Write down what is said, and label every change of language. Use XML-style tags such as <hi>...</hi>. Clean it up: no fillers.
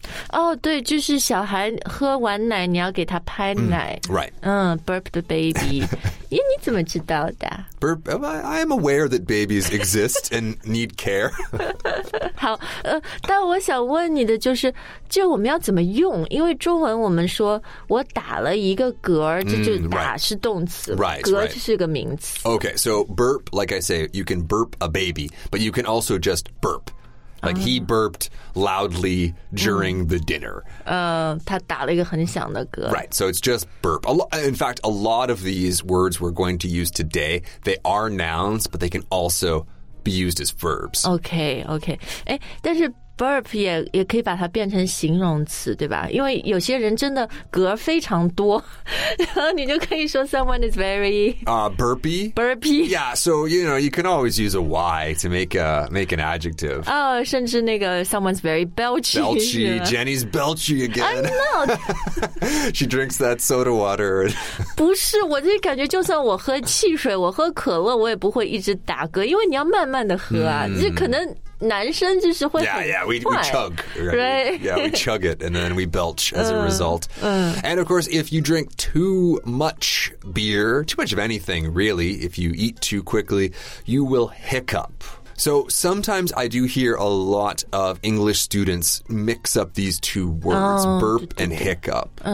<zh>Oh, 对，就是小孩喝完奶你要给他拍奶。</zh> <en>Right. Burp the baby.</en> <zh>咦，你怎么知道的？</zh> <en>Burp, I am aware that babies exist and need care.</en> <zh>好，但我想问你的就是，这我们要怎么用？因为中文我们说我打了一个嗝，这就打是动词，嗝就是个名词。</zh> <en>Okay, so burp, like I say, you can burp a baby, but you can also just burp. Like he burped loudly during the dinner.</en> <zh>他打了一个很响的嗝。</zh> <en>Right, so it's just burp. In fact, a lot of these words we're going to use today, they are nouns, but they can also be used as verbs.</en> <zh>Okay. 哎，但是burp 也可以把它变成形容词，对吧？因为有些人真的嗝非常多，然后你就可以说</zh> <en>someone is very burpy. Burpy. Yeah, so you know you can always use a y to make an adjective.</en> <zh>Oh, 甚至那个</zh> <en>someone's very belchy. Belchy. Jenny's belchy again. I'm not. She drinks that soda water.</en> <zh>不是，我就感觉就算我喝汽水，我喝可乐，我也不会一直打嗝，因为你要慢慢的喝啊，就可能。男生就是会</zh> <en>we chug, right? Yeah, we chug it, and then we belch as a result. And of course, if you drink too much beer, too much of anything, really, if you eat too quickly, you will hiccup. So sometimes I do hear a lot of English students mix up these two words, burp and hiccup.</en>